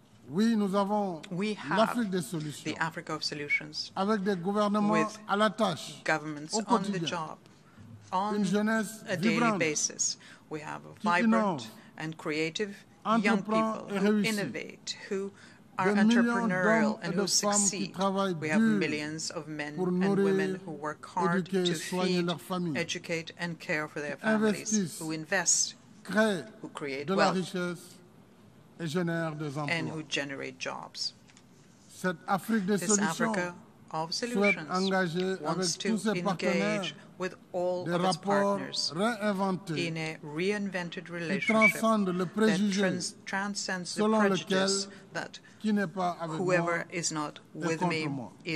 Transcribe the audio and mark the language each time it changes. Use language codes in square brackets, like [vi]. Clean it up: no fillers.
[fr] Oui, nous avons l'Afrique des solutions, avec des gouvernements à la tâche, au quotidien, une jeunesse vibrante, [en] we have a vibrant and creative young people who innovate, who are entrepreneurial and who succeed. We have millions of men and women who work hard to feed, educate and care for their families, who invest, who create wealth. [fr] Et génère des emplois. [en] And who generate jobs. [fr] Cette Afrique des solutions souhaite engager avec tous ses partenaires des rapports réinventés qui transcendent le préjugé selon lequel qui n'est pas avec moi est contre moi.